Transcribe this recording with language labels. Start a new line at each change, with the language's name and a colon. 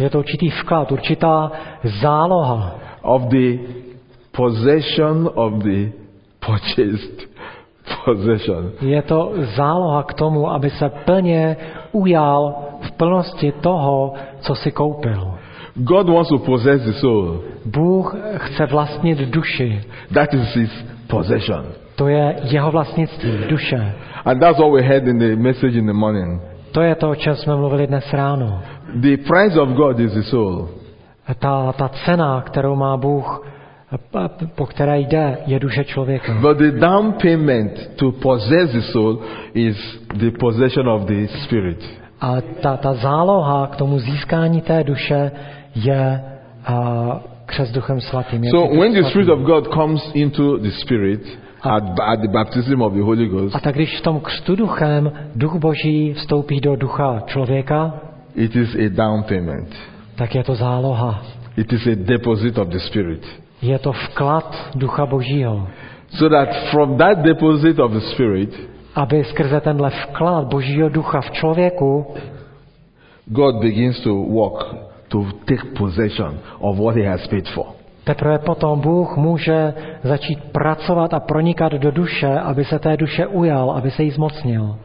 Czech: Je to určitý vklad, určitá záloha.
English: Of the possession of the purchased possession.
Czech: Je to záloha k tomu, aby se plně ujal v plnosti toho, co si koupil.
English: God wants to possess the soul.
Czech: Bůh chce vlastnit duši.
English: That is his possession.
Czech: To je jeho vlastnictví, duše.
English: And that's what we heard in the message in the morning.
Czech: To je to, o čem jsme mluvili dnes ráno.
English: The price of God is the soul.
Czech: Ta cena, kterou má Bůh, po které jde, je duše člověka.
English: But the down payment to possess the soul is the possession of the spirit.
Czech: A ta záloha k tomu získání té duše je křes Duchem svatým.
English: So when the spirit of God comes into the spirit, at the baptism of the Holy Ghost.
Czech: A tak když v tom křtu duchem Duch Boží vstoupí do ducha člověka,
English: it is a down payment.
Czech: Tak je to záloha.
English: It is a deposit of the Spirit.
Czech: Je to vklad Ducha Božího.
English: So that from that deposit of the Spirit,
Czech: aby skrze tenhle vklad Božího ducha v člověku,
English: God begins to work to take possession of what he has paid for.
Czech: Teprve potom Bůh může začít pracovat a pronikat do duše, aby se té duše ujal, aby se jí zmocnil.